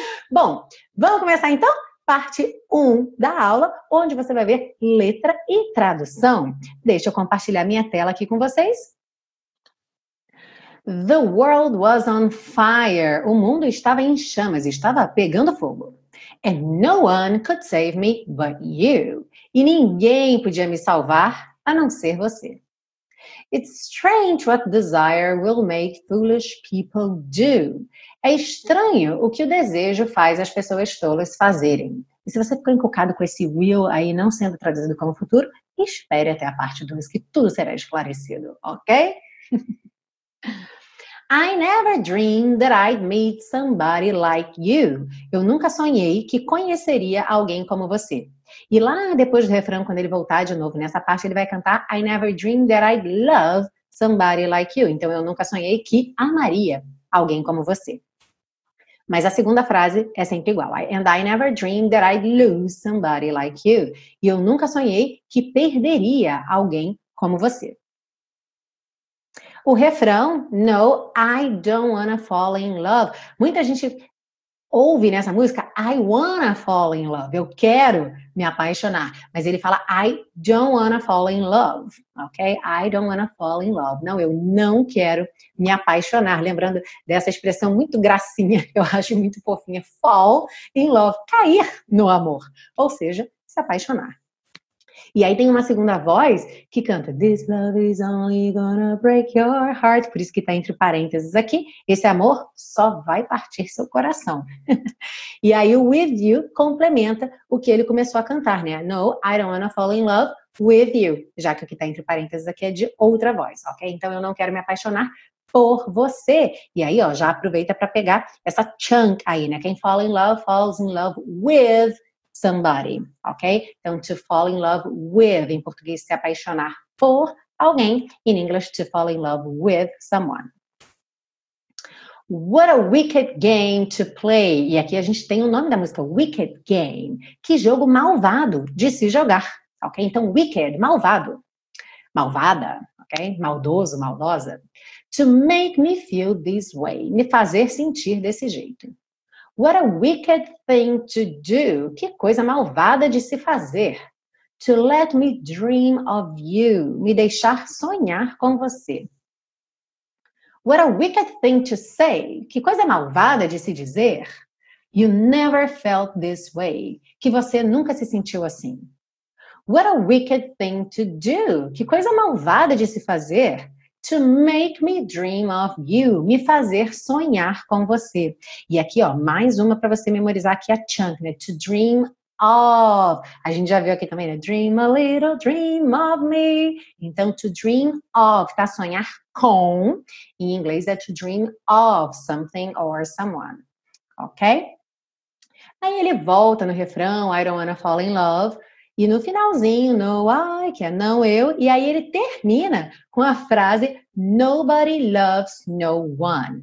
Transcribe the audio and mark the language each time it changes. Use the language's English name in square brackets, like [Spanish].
[Portuguese] Bom, vamos começar então? Parte 1 da aula, onde você vai ver letra e tradução. Deixa eu compartilhar minha tela aqui com vocês. [English] The world was on fire. [Portuguese] O mundo estava em chamas, estava pegando fogo. [English] And no one could save me but you. [Portuguese] E ninguém podia me salvar a não ser você. [English] It's strange what desire will make foolish people do. [Portuguese] É estranho o que o desejo faz as pessoas tolas fazerem. E se você ficou encucado com esse will aí não sendo traduzido como futuro, espere até a parte 2 que tudo será esclarecido, ok? [English] I never dreamed that I'd meet somebody like you. [Portuguese] Eu nunca sonhei que conheceria alguém como você. E lá depois do refrão, quando ele voltar de novo nessa parte, ele vai cantar [English] I never dreamed that I'd love somebody like you. [Portuguese] Então, eu nunca sonhei que amaria alguém como você. Mas a segunda frase é sempre igual. [English] And I never dreamed that I'd lose somebody like you. [Portuguese] E eu nunca sonhei que perderia alguém como você. O refrão, [English] no, I don't wanna fall in love. [Portuguese] Muita gente ouve nessa música, [English] I wanna fall in love. [Portuguese] Eu quero me apaixonar. Mas ele fala, [English] I don't wanna fall in love. [Portuguese] Ok? [English] I don't wanna fall in love. [Portuguese] Não, eu não quero me apaixonar. Lembrando dessa expressão muito gracinha, eu acho muito fofinha. [English] Fall in love. [Portuguese] Cair no amor. Ou seja, se apaixonar. E aí tem uma segunda voz que canta [English] This love is only gonna break your heart. [Portuguese] Por isso que tá entre parênteses aqui. Esse amor só vai partir seu coração. E aí o with you complementa o que ele começou a cantar, né? [English] No, I don't wanna fall in love with you. [Portuguese] Já que o que tá entre parênteses aqui é de outra voz, ok? Então eu não quero me apaixonar por você. E aí, ó, já aproveita para pegar essa chunk aí, né? [English] Quem fall in love falls in love with somebody, ok? [Portuguese] Então, [English] to fall in love with, [Portuguese] em português, se apaixonar por alguém. [English] In English, to fall in love with someone. What a wicked game to play. [Portuguese] E aqui a gente tem o nome da música, Wicked Game. Que jogo malvado de se jogar, ok? Então, wicked, malvado. Malvada, ok? Maldoso, maldosa. [English] To make me feel this way. [Portuguese] Me fazer sentir desse jeito. [English] What a wicked thing to do. [Portuguese] Que coisa malvada de se fazer. [English] To let me dream of you. [Portuguese] Me deixar sonhar com você. [English] What a wicked thing to say. [Portuguese] Que coisa malvada de se dizer. [English] You never felt this way. [Portuguese] Que você nunca se sentiu assim. [English] What a wicked thing to do. [Portuguese] Que coisa malvada de se fazer. [English] To make me dream of you. [Portuguese] Me fazer sonhar com você. E aqui, ó, mais uma para você memorizar aqui a chunk, né? To dream of. A gente já viu aqui também, né? [English] Dream a little dream of me. [Portuguese] Então, to dream of, tá? Sonhar com. Em inglês é [English] to dream of something or someone. [Portuguese] Ok? Aí ele volta no refrão, [English] I don't wanna fall in love. [Portuguese] E no finalzinho, no I, que é não eu, e aí ele termina com a frase [English] nobody loves no one.